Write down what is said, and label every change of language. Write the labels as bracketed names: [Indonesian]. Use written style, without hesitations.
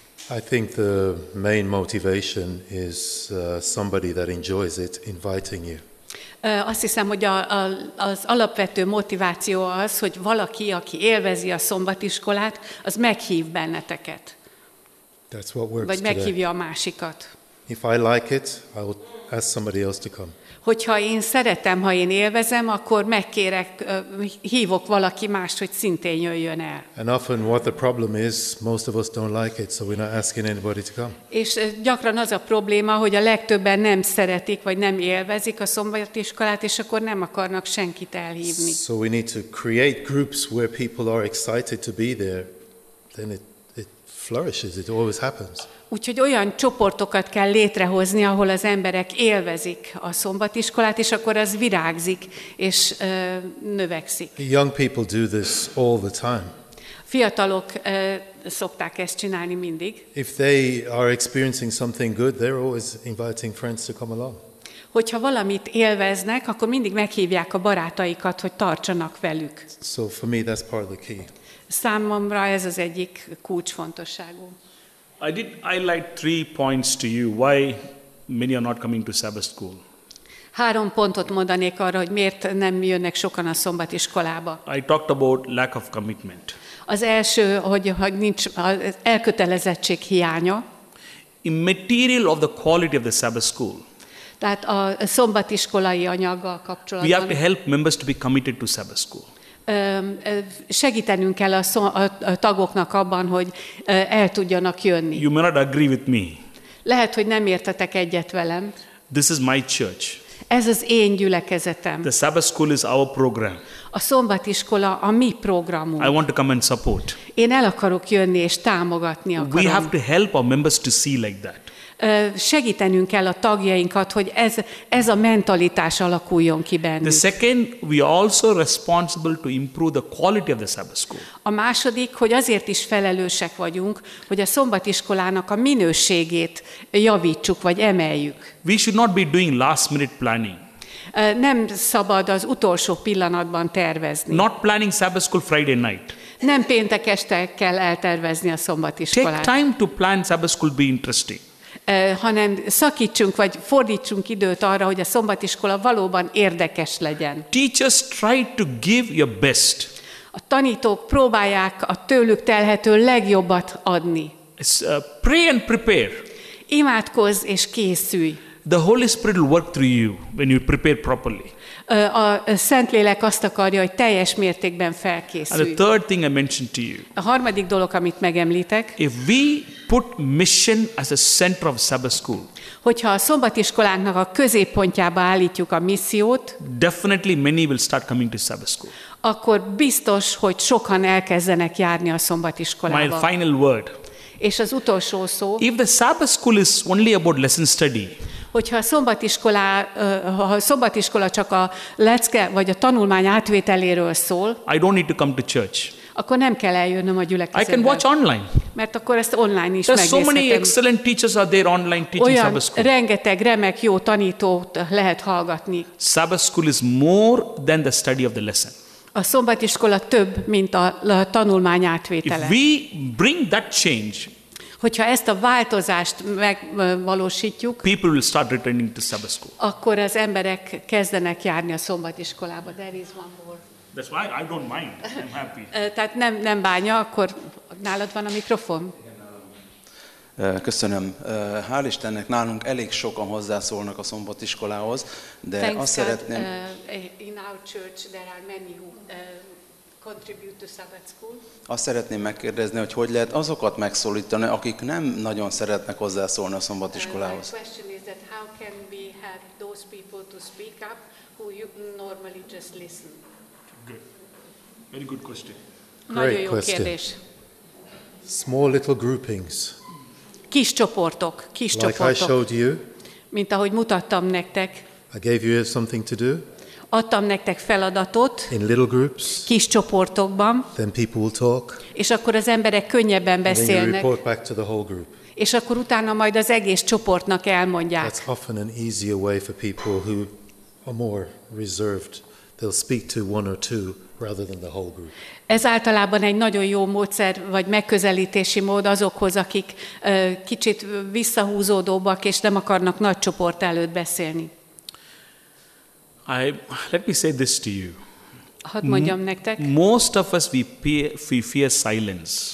[English] I think the main motivation is somebody that enjoys it inviting you. [Hungarian] Azt hiszem, hogy az alapvető motiváció az, hogy valaki, aki élvezi a szombatiskolát, az meghív benneteket. [English] That's what works. [Hungarian] Vagy meghívja [English] today [Hungarian] a másikat. [English] If I like it, I will ask somebody else to come. [Hungarian] Hogyha én szeretem, ha én élvezem, akkor megkérek, hívok valaki mást, hogy szintén jöjjön el. [English] And often what the problem is, most of us don't like it, so we're not asking anybody to come. [Hungarian] És gyakran az a probléma, hogy a legtöbben nem szeretik, vagy nem élvezik a szombatiskolát, és akkor nem akarnak senkit elhívni. [English] So we need to create groups where people are excited to be there, then it flourishes, it always happens. [Hungarian] Úgyhogy olyan csoportokat kell létrehozni, ahol az emberek élvezik a szombatiskolát, és akkor az virágzik, és növekszik. [English] Young people do this all the time. [Hungarian] Fiatalok szokták ezt csinálni mindig. [English] If they are experiencing something good, they're always inviting friends to come along. [Hungarian] Hogyha valamit élveznek, akkor mindig meghívják a barátaikat, hogy tartsanak velük. [English] So for me that's part of the key. [Hungarian] Számomra ez az egyik kulcsfontosságú. [English] I did highlight three points to you why many are not coming to Sabbath school. [Hungarian] Három pontot mondanék arra, hogy miért nem jönnek sokan a szombatiskolába. [English] I talked about lack of commitment. [Hungarian] Az első, hogy nincs elkötelezettség hiánya. [English] In material of the quality of the Sabbath school. [Hungarian] Tehát a szombatiskolai anyaggal kapcsolatban. [English] We have to help members to be committed to Sabbath school. [Hungarian] Segítenünk kell a tagoknak abban, hogy el tudjanak jönni. [English] You may not agree with me. [Hungarian] Lehet, hogy nem értetek egyet velem. [English] This is my church. [Hungarian] Ez az én gyülekezetem. [English] The Sabbath school is our program. [Hungarian] A szombatiskola a mi programunk. [English] I want to come and support. [Hungarian] Én el akarok jönni és támogatni akarom. [English] We have to help our members to see like that. [Hungarian] Segítenünk kell a tagjainkat, hogy ez a mentalitás alakuljon ki bennük. [English] The second, we are also responsible to improve the quality of the Sabbath school. [Hungarian] A második, hogy azért is felelősek vagyunk, hogy a szombatiskolának a minőségét javítsuk vagy emeljük. [English] We should not be doing last minute planning. [Hungarian] Nem szabad az utolsó pillanatban tervezni. [English] Not planning Sabbath school Friday night. [Hungarian] Nem péntek este kell eltervezni a szombatiskolát. [English] Take time to plan Sabbath school be interesting. [Hungarian] Hanem szakítsunk vagy fordítsunk időt arra, hogy a szombatiskola valóban érdekes legyen. [English] Teachers try to give your best. [Hungarian] A tanítók próbálják a tőlük telhető legjobbat adni. [English] Pray and prepare. [Hungarian] Imádkozz és készülj. [English] The Holy Spirit will work through you when you prepare properly. [Hungarian] A Szentlélek azt akarja, hogy teljes mértékben felkészülj. [English] And the third thing I mentioned to you. [Hungarian] A harmadik dolog, amit megemlítek. [English] If we put mission as a center of Sabbath school. [Hungarian] Hogyha a szombatiskolánknak a középpontjába állítjuk a missziót, [English] definitely many will start coming to Sabbath school. [Hungarian] Akkor biztos, hogy sokan elkezdenek járni a szombatiskolába. [English] My final word. [Hungarian] És az utolsó szó. [English] If the Sabbath school is only about lesson study. [Hungarian] Hogyha a szombatiskola csak a lecke vagy a tanulmány átvételéről szól, [English] I don't need to come to church. [Hungarian] Akkor nem kell eljönnöm a gyülekezetbe. [English] I can watch online. [Hungarian] Mert akkor ezt online is megnézhetem. [English] There's so many excellent teachers are there online teaching [Hungarian] Olyan [English] Sabbath school. [Hungarian] Olyan rengeteg remek jó tanítót lehet hallgatni. [English] Sabbath school is more than the study of the lesson. [Hungarian] A szombatiskola több, mint a tanulmány átvétele. [English] If we bring that change. [Hungarian] Hogyha ezt a változást megvalósítjuk, [English] people will start returning to Sabbath school. [Hungarian] Akkor az emberek kezdenek járni a szombatiskolába. [English] There is one more. That's why I don't mind. I'm happy. [Hungarian] Tehát nem bánja, akkor nálad van a mikrofon. Köszönöm. Hál' Istennek, nálunk elég sokan hozzászólnak a szombatiskolához, de [English] Thanks [Hungarian] azt [English] God, [Hungarian] szeretném... [English] In our church there are many who contribute to Sabbath school. [Hungarian] Azt szeretném megkérdezni, hogy lehet azokat megszólítani, akik nem nagyon szeretnek hozzászólni a szombatiskolához. [English] My question is that how can we have those people to speak up who you normally just listen? Good. Very good question. Great [Hungarian] nagyon jó [English] question. [Hungarian] Kérdés. [English] Small little groupings. [Hungarian] Kis csoportok, kis [English] like [Hungarian] csoportok. [English] I showed you, [Hungarian] mint ahogy mutattam nektek. [English] I gave you something to do. [Hungarian] Adtam nektek feladatot. [English] In little groups. [Hungarian] Kis csoportokban. [English] Then people will talk. [Hungarian] És akkor az emberek könnyebben beszélnek. [English] And then you report back to the whole group. [Hungarian] És akkor utána majd az egész csoportnak elmondják. [English] That's often an easier way for people who are more reserved. They'll speak to one or two rather than the whole group. [Hungarian] Ez általában egy nagyon jó módszer, vagy megközelítési mód azokhoz, akik kicsit visszahúzódóbbak, és nem akarnak nagy csoport előtt beszélni. [English] Let me say this to you. [Hungarian] Hadd mondjam nektek. [English] Most of us, we fear silence.